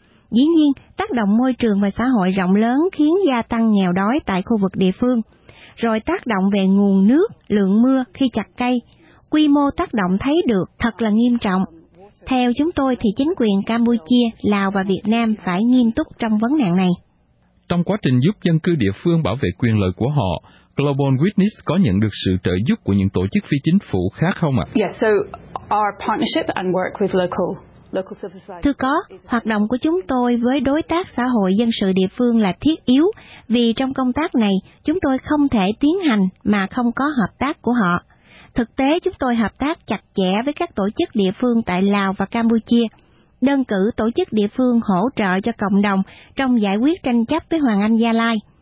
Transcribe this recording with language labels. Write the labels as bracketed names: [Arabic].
[Vietnamese] Dĩ nhiên, tác động môi trường và xã hội rộng lớn khiến gia tăng nghèo đói tại khu vực địa phương, rồi tác động về nguồn nước, lượng mưa khi chặt cây, quy mô tác động thấy được thật là nghiêm trọng. Theo chúng tôi thì chính quyền Campuchia, Lào và Việt Nam phải nghiêm túc trong vấn nạn này. Trong quá trình giúp dân cư địa phương bảo vệ quyền lợi của họ, Global Witness có nhận được sự trợ giúp của những tổ chức phi chính phủ khác không ạ? [English] Yes, so our partnership and work with local civil society. [Vietnamese] Thưa có, hoạt động của chúng tôi với đối tác xã hội dân sự địa phương là thiết yếu vì trong công tác này chúng tôi không thể tiến hành mà không có hợp tác của họ. Thực tế chúng tôi hợp tác chặt chẽ với các tổ chức địa phương tại Lào và Campuchia. Đơn cử tổ chức địa phương hỗ trợ cho cộng đồng trong giải quyết tranh chấp với Hoàng Anh Gia Lai.